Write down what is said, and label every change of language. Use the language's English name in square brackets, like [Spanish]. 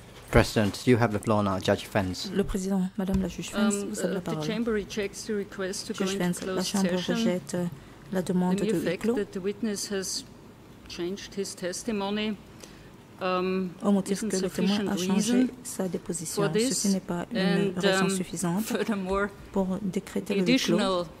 [English] President, you have the floor now, Judge Fens. [French] Le président, Madame la juge Fens, vous avez la parole. [English] The chamber rejects the request to go into closed session. [French] La chambre rejette la demande de huis clos. [English] The witness has changed his testimony. [French] Au motif que le témoin a changé sa déposition, ceci n'est pas une raison suffisante pour décréter le huis clos.